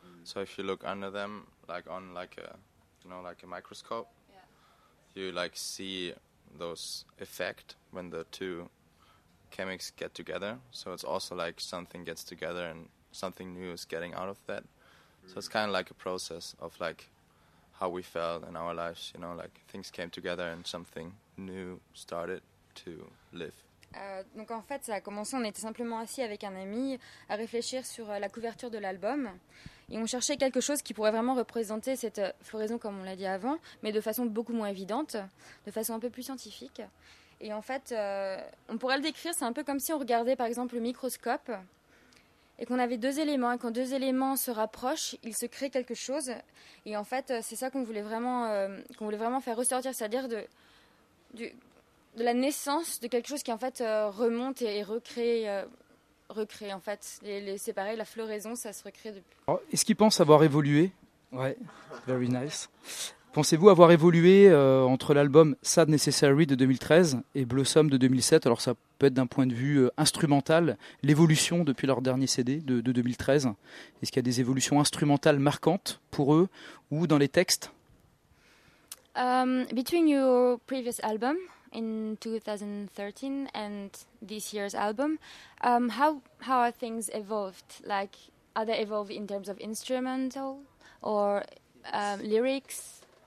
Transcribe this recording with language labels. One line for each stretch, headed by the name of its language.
English: So if you look under them, like on like a microscope, you like see those effect when the two chemicals get together. So it's also like something gets together and something new is getting out of that. So it's kind of like a process of like how we felt in our lives, you know, like things came together and something new started to live.
French: Donc en fait, ça a commencé, on était simplement assis avec un ami à réfléchir sur la couverture de l'album. Et on cherchait quelque chose qui pourrait vraiment représenter cette floraison, comme on l'a dit avant, mais de façon beaucoup moins évidente, de façon un peu plus scientifique. Et en fait, on pourrait le décrire, c'est un peu comme si on regardait par exemple le microscope et qu'on avait deux éléments. Et quand deux éléments se rapprochent, il se crée quelque chose. Et en fait, c'est ça qu'on voulait vraiment faire ressortir, c'est-à-dire de la naissance de quelque chose qui en fait remonte et recrée en fait. C'est pareil, la floraison, ça se recrée depuis. Alors, est-ce qu'ils pensent avoir évolué?
English: Ouais, very nice.
French: Pensez-vous avoir évolué entre l'album Sad Necessary de 2013 et Blossom de 2007? Alors ça peut être d'un point de vue instrumental, l'évolution depuis leur dernier CD de 2013. Est-ce qu'il y a des évolutions instrumentales marquantes pour eux ou dans les textes?
English: Between your previous album in 2013 and this year's album, how are things evolved? Like, are they evolved in terms of instrumental or lyrics?